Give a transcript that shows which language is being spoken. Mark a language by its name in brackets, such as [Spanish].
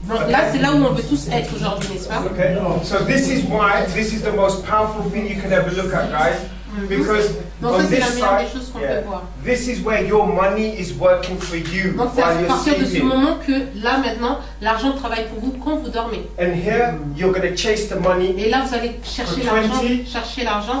[French] Là, c'est là où on veut tous être aujourd'hui, n'est-ce pas? [English] Okay. So this is why this is the most powerful thing you can ever look at, guys. Because [French] donc, [English] on this side, yeah, this is where your money is working for you [French] donc, [English] while you're sleeping. [French] Donc c'est à partir de ce moment que là maintenant l'argent travaille pour vous quand vous dormez. [English] And here you're going to chase the money. [French] Et là vous allez chercher l'argent, 20, chercher l'argent